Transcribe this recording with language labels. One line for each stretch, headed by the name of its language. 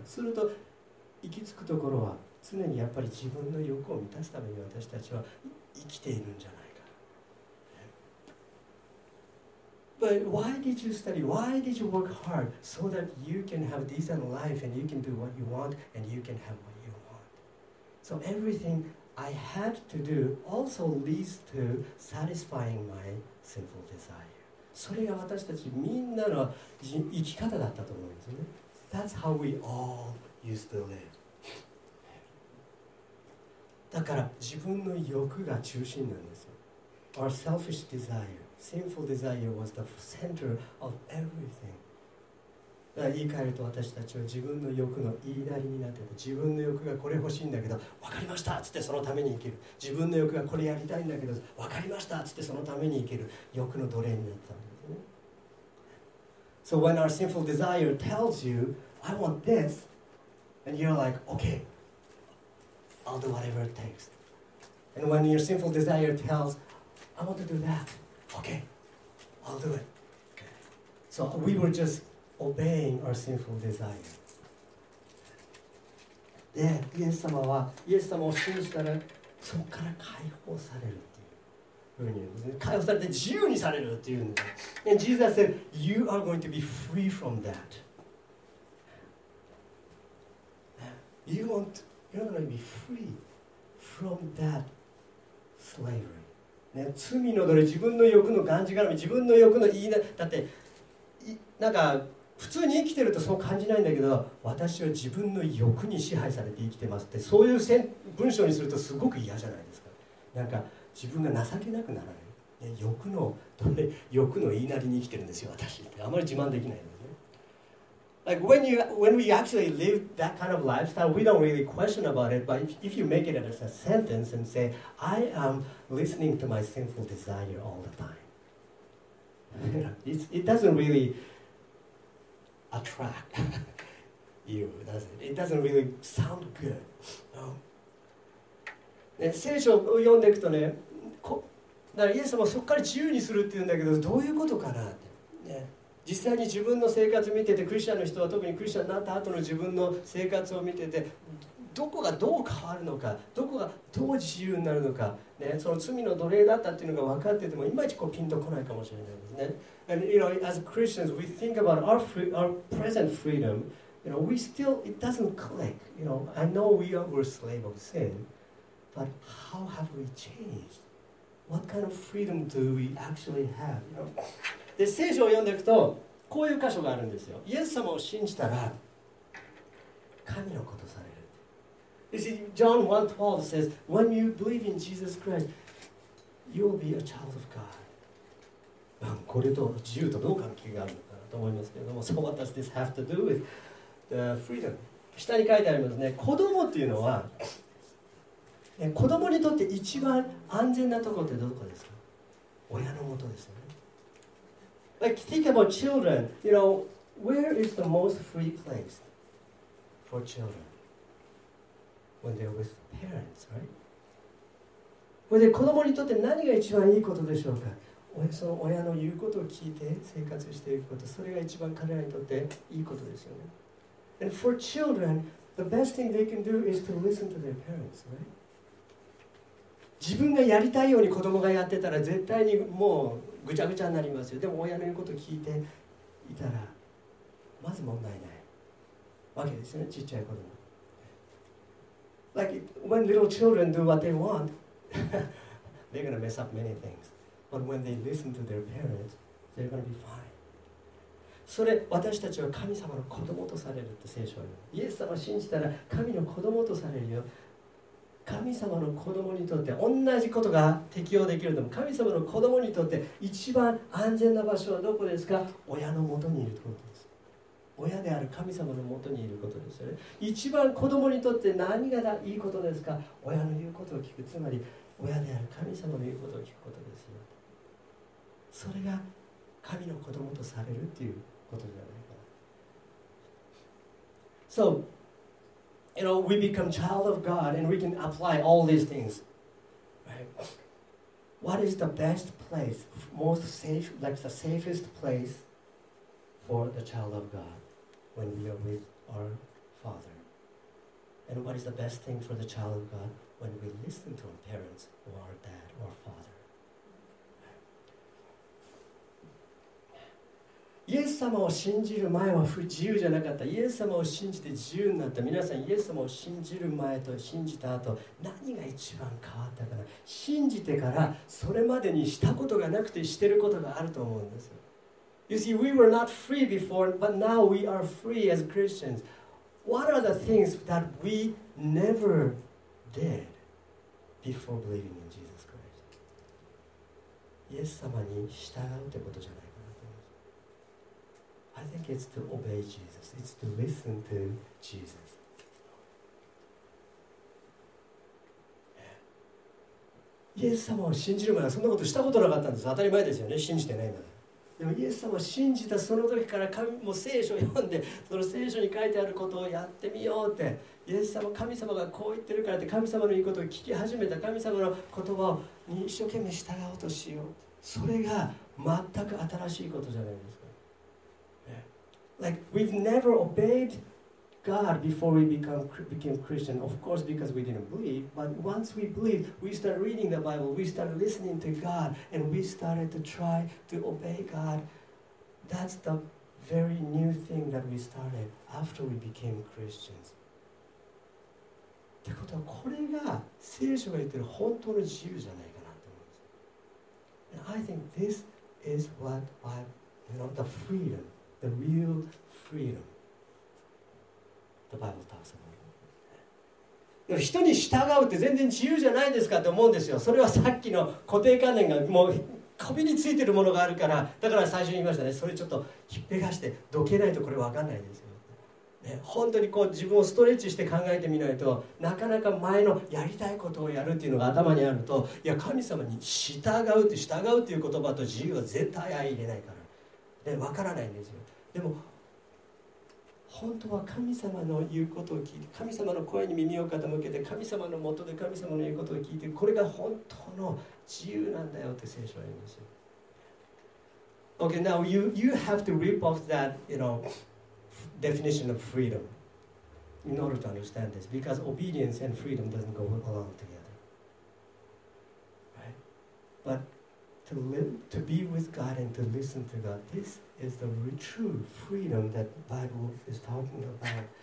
Japanese: すると、行き着くところは、常にやっぱり自分の欲を満たすために私たちは生きているんじゃないか。
English: But why did you study? Why did you work hard so that you can have a decent life and you can do what you want and you can have what you want? So everything I had to do also leads to satisfying my sinful desire.
Japanese: それが私たちみんなの生き方だったと思うんですね。
English: That's how we all used to live.
Japanese: だから自分の欲が中心なんですよ。
English: Our selfish desire, sinful desire was the center of everything.
Japanese: だから言い換えると私たちは自分の欲の言いなりになってて、自分の欲がこれ欲しいんだけど、分かりましたっつってそのために生きる。自分の欲がこれやりたいんだけど、分かりましたっつってそのために生きる。欲の奴隷になったんですね。
English: So when our sinful desire tells you, I want this, and you're like, okay,I'll do whatever it takes. And when your sinful desire tells, I want to do that. Okay, I'll do it. So we were just obeying our sinful desire.
Japanese: で、イエス様はイエス様を信じたらそこから解放されるっていう風に言うんですね。解放されて自由にされるっていうんです。
English: And Jesus said, "You are going to be free from that." You want, you're going to be free from that slavery.
Japanese: ね、罪の奴隷、自分の欲のがんじがらみ、自分の欲の言いな、だってなんか普通に生きてるとそう感じないんだけど、私は自分の欲に支配されて生きてますって、そういう文章にするとすごく嫌じゃないですか。なんか自分が情けなくならない、ね、欲の言いなりに生きてるんですよ私って、あまり自慢できないですね。
English: Like when we actually live that kind of lifestyle, we don't really question about it, but if you make it as a sentence and say, I am listening to my sinful desire all the time, it doesn't reallyattract you, does it? It doesn't really sound good. No.
Japanese: ね、聖書を読んでいくとね、だからイエス様はそこから自由にするっていうんだけど、どういうことかなって、ね、実際に自分の生活を見てて、クリスチャンの人は特にクリスチャンになった後の自分の生活を見てて、どこがどう変わるのか、どこがどう自由になるのか、ね、その罪の奴隷だったっていうのが分かってても、いまいちこうピンとこないかもしれないですね。
English: And you know, as Christians, we think about our present freedom. You know, it doesn't click. You know, I know we were slaves of sin, but how have we changed? What kind of freedom do we actually have? You know?
Japanese: で、聖書を読んでいくと、こういう箇所があるんですよ。イエス様を信じたら、神のことされる。
English: You see, John 1:12 says, "When you believe in Jesus Christ, you will be a child of God."
Japanese: これと自由とどう関係があるのかなと思いますけれども、
English: So what does this have to do with the freedom?
Japanese: 下に書いてありますね、子供っていうのは、子供にとって一番安全なところってどこですか？親のもとですよね。
English: Like, think about children. You know, where is the most free place for children? When they're with parents, right?
Japanese: これで子供にとって何が一番いいことでしょうか？その親の言うことを聞いて生活していくこと、それが一番彼らにとっていいことですよね。
English: And for children, the best thing they can do is to listen to their parents, right?
Japanese: 自分がやりたいように子供がやってたら絶対にもうぐちゃぐちゃになりますよ。でも親の言うことを聞いていたらまず問題ないわけですよね、ちっちゃい子供。
English: Like when little children do what they want, they're gonna mess up many things. But when they listen to their parents, they're going to be fine.
Japanese: それ、私たちは神様の子供とされるって聖書に。イエス様を信じたら神の子供とされるよ。神様の子供にとって同じことが適用できるのも、神様の子供にとって一番安全な場所はどこですか？親のもとにいるということです。親である神様のもとにいることですよね。一番子供にとって何がいいことですか？親の言うことを聞く。つまり、親である神様の言うことを聞くことですよ。それが神の子供とされるっていうことじゃないかな。
English: So, you know, we become child of God and we can apply all these things, right? What is the best place, most safe, like the safest place for the child of God when we are with our Father? And what is the best thing for the child of God when we listen to our parents or our dad or father?
Japanese: イエス様を信じる前は自由じゃなかった。イエス様を信じて自由になった。皆さん、イエス様を信じる前と信じた後、何が一番変わったかな。信じてからそれまでにしたことがなくてしてることがあると思うんです。
English: You see, we were not free before, but now we are free as Christians. What are the things that we never did before believing in Jesus Christ?
Japanese: イエス様に従うってことじゃない。
English: I think it's to obey Jesus. It's to listen to Jesus.
Japanese: イエス様を信じる前はそんなことしたことなかったんです。当たり前ですよね。信じてないなら。でもイエス様を信じたその時から神も聖書を読んで、その聖書に書いてあることをやってみようって、イエス様、神様がこう言ってるからって、神様の言うことを聞き始めた、神様の言葉に一生懸命従おうとしよう。それが全く新しいことじゃないですか。
English: Like, we've never obeyed God before we became Christian, of course, because we didn't believe. But once we believed, we started reading the Bible, we started listening to God, and we started to try to obey God. That's the very new thing that we started after we became Christians.
Japanese: ってことはこれが聖書が言ってる本当の自由じゃないかなと思うんです。
English: And I think this is what I, you know, the freedom, the real freedom the Bible talks about.
Japanese: でも人に従うって全然自由じゃないですかって思うんですよ。それはさっきの固定観念がもう壁についてるものがあるから、だから最初に言いましたね、それちょっと引っぺがしてどけないとこれ分かんないですよ。本当にこう自分をストレッチして考えてみないと、なかなか前のやりたいことをやるっていうのが頭にあると、いや神様に従うって、従うっていう言葉と自由は絶対相入れないからで分からないんですよ。でも本当は神様の言うことを聞いて、神様の声に耳を傾けて、神様のもとで神様の言うことを聞いて、これが本当の自由なんだよって聖書は言いますよ。
English: Okay, now you have to rip off that, you knowdefinition of freedom in order to understand this, because obedience and freedom doesn't go along together, right? But to live, to be with God and to listen to God, this is the true freedom that Bible is talking about.